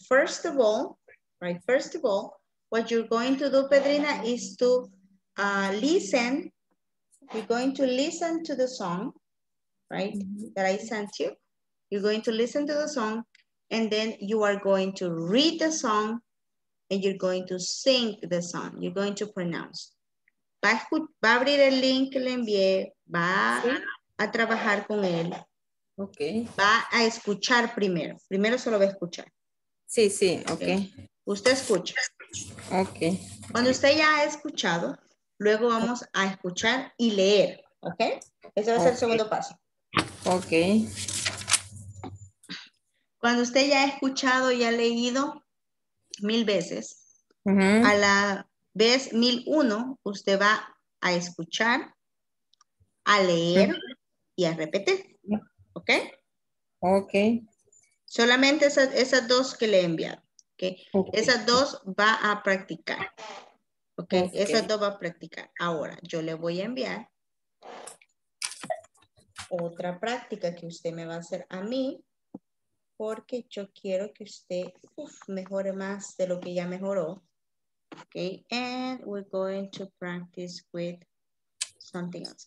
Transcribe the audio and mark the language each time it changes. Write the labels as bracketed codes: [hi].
[en] First of all, right, first of all, what you're going to do, Pedrina, is to listen. You're going to listen to the song, right, mm-hmm. that I sent you. You're going to listen to the song. And then you are going to read the song and you're going to sing the song. You're going to pronounce. [es] Va a abrir el link que le envié. Va a trabajar con él. [en] Okay. [es] Va a escuchar primero. Primero solo va a escuchar. Sí, sí. Okay. Usted escucha. [en] Okay. [es] Cuando usted ya ha escuchado, luego vamos a escuchar y leer. Okay. Ese va a ser el segundo paso. [en] Okay. [es] Cuando usted ya ha escuchado y ha leído mil veces, uh-huh. a la vez 1001, usted va a escuchar, a leer uh-huh. y a repetir. [en] ¿Ok? Ok. [es] Solamente esas dos que le he enviado. ¿Okay? ¿Ok? Esas dos va a practicar. ¿Okay? ¿Ok? Esas dos va a practicar. Ahora, yo le voy a enviar otra práctica que usted me va a hacer a mí. Porque yo quiero que usted mejore más de lo que ya mejoró. [en] Okay, and we're going to practice with something else.